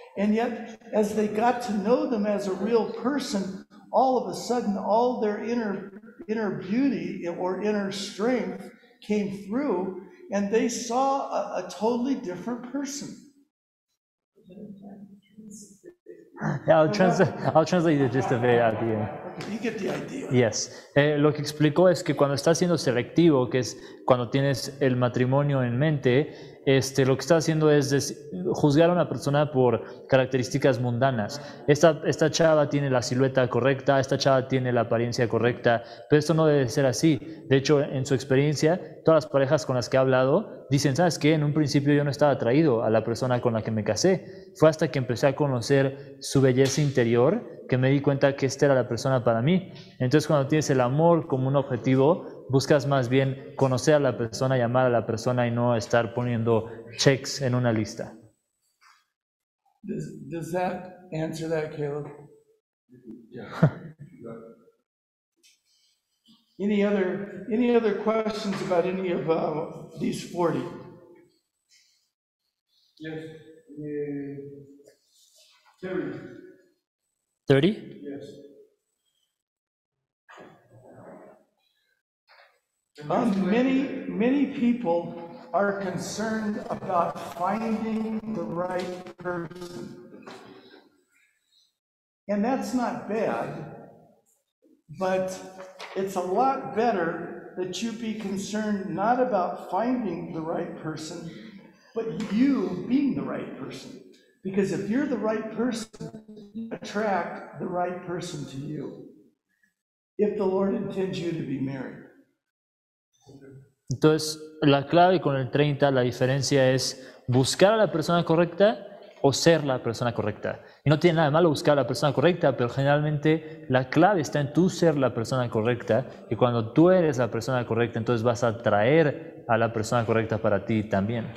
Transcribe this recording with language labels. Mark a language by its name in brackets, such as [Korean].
[English] And yet, as they got to know them as a real person, all of a sudden, all their inner beauty or inner strength came through, and they saw a totally different person. Yeah, I'll translate it just a very idea. You get the idea. Yes. [Spanish] Lo que explicó es que cuando estás siendo selectivo, que es cuando tienes el matrimonio en mente, lo que estás haciendo es juzgar a una persona por características mundanas. Esta chava tiene la silueta correcta, esta chava tiene la apariencia correcta, pero esto no debe ser así. De hecho, en su experiencia, todas las parejas con las que ha hablado dicen, ¿sabes qué? En un principio yo no estaba atraído a la persona con la que me casé. Fue hasta que empecé a conocer su belleza interior que me di cuenta que esta era la persona para mí. Entonces, cuando tienes el amor como un objetivo, buscas más bien conocer a la persona, llamar a la persona y no estar poniendo checks en una lista. [English] Does that answer that, Caleb? Yeah. Any other questions about any of these 40? Yes. Thirty. Yes. Many people are concerned about finding the right person. And that's not bad, but it's a lot better that you be concerned not about finding the right person, but you being the right person. Because if you're the right person, you attract the right person to you, if the Lord intends you to be married. [Spanish] Entonces, la clave con el 30, la diferencia es buscar a la persona correcta o ser la persona correcta. Y no tiene nada de malo buscar a la persona correcta, pero generalmente la clave está en tú ser la persona correcta. Y cuando tú eres la persona correcta, entonces vas a atraer a la persona correcta para ti también.